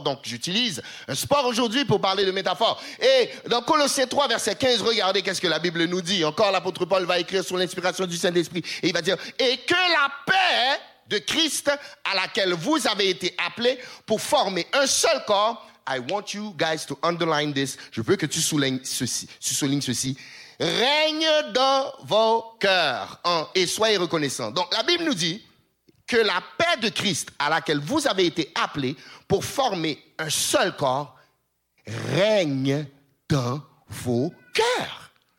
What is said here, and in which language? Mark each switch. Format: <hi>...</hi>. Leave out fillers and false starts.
<fr>Donc, j'utilise un sport aujourd'hui pour parler de métaphore. Et dans Colossiens 3, verset 15, regardez qu'est-ce que la Bible nous dit. Encore, l'apôtre Paul va écrire sous l'inspiration du Saint-Esprit. Et il va dire... Et que la paix de Christ à laquelle vous avez été appelés pour former un seul corps.</fr> <en>I want you guys to underline this.</en> <fr>Je veux que tu soulignes ceci. Règne dans vos cœurs et soyez reconnaissants. Donc la Bible nous dit que la paix de Christ à laquelle vous avez été appelés pour former un seul corps règne dans vos cœurs.</fr>